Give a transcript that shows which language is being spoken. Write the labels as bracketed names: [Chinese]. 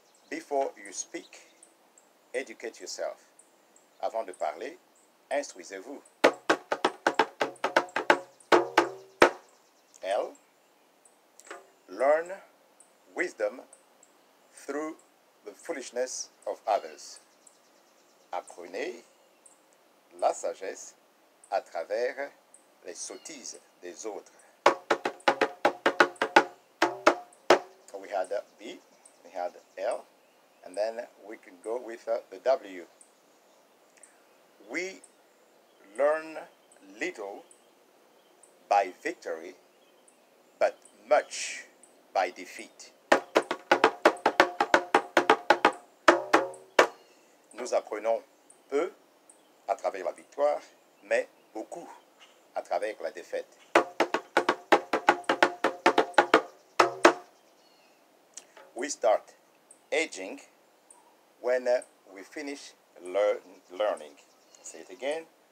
[English] Before you speak, educate yourself. [French] Avant de parler, instruisez-vous. [English] L, learn wisdom through the foolishness of others. [French] Apprenez la sagesse à travers les sottises des autres. [English] We had B, we had L, and then we can go with the W. We learn little by victory, but much by defeat. [French] Nous apprenons peu à travers la victoire, mais beaucoup à travers la défaite. [English] We start aging when we finish learning. Say it again.